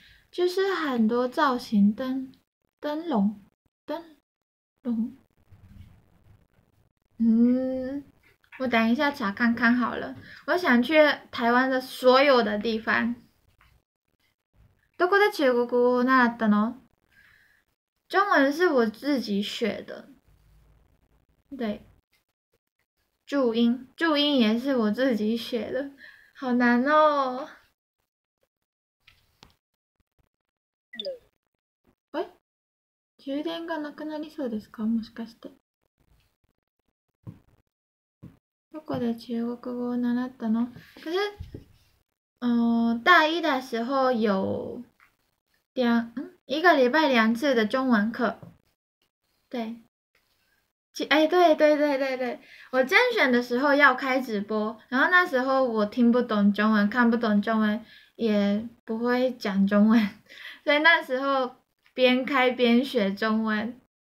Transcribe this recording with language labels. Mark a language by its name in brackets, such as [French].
[Chinese] 就是很多造型灯，灯笼，灯笼。我等一下查看看好了。我想去台湾的所有的地方。 [Japanese] どこで中国語習ったの？ [Chinese] 中文是我自己学的。对，注音，注音也是我自己学的，好难哦。 [Japanese] 喂，充电がなくなりそうですか？もしかして。どこで中国語を習ったの？ [Chinese] 可是，大一的时候有两，一个礼拜两次的中文课。对，对，我甄选的时候要开直播，然后那时候我听不懂中文，看不懂中文，也不会讲中文，所以那时候边开边学中文。